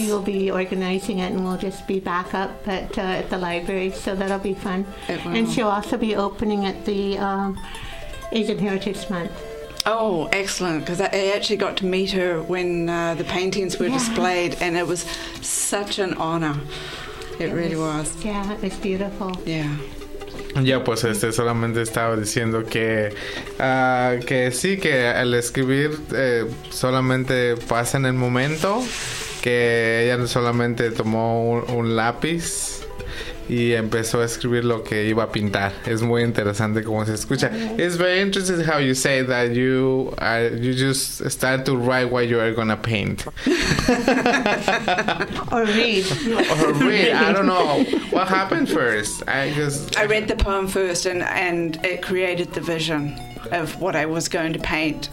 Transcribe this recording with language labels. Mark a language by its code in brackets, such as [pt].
[en] She will be organizing it, and we'll just be back up at the library. So that'll be fun. It will. And she'll also be opening at the Asian Heritage Month. Oh, excellent. Because I actually got to meet her when the paintings were displayed, and it was such an honor. It really was. Yeah, it's beautiful. Yeah. [es] Ya, pues solamente estaba diciendo que sí, que al escribir solamente pasa en el momento, que ella solamente tomó un lápiz y empezó a escribir lo que iba a pintar. Es muy interesante cómo se escucha. [en] It's very interesting how you say that you just start to write what you are going to paint. Or read. I don't know. What happened first? I read the poem first, and it created the vision of what I was going to paint.